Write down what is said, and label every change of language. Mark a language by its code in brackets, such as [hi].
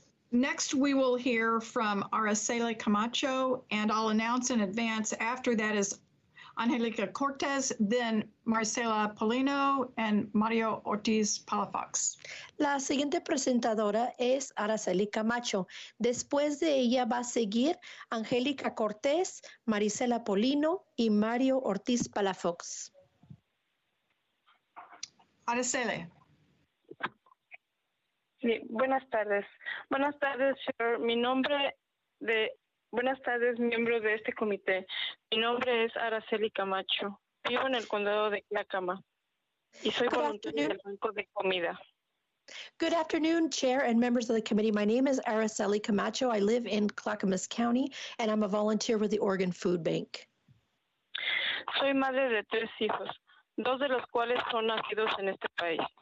[en] Next, we will hear from Araceli Camacho, and I'll announce in advance. After that is Angelica Cortez, then Marcela Polino, and Mario Ortiz Palafox. [es] La siguiente presentadora es Araceli Camacho. Después de ella va a seguir Angelica Cortez, Marcela Polino, y Mario Ortiz Palafox. Araceli. Sí, buenas tardes. Buenas tardes, señor. Buenas tardes, miembro de este comité. Mi nombre es Araceli Camacho. Vivo en el condado de Clackama y soy voluntaria del Banco de Comida. [en] Good afternoon, Chair and members of the committee. My name is Araceli Camacho. I live in Clackamas County and I'm a volunteer with the Oregon Food Bank. [es] Soy madre de 3 hijos, 2 de los cuales son nacidos en este país.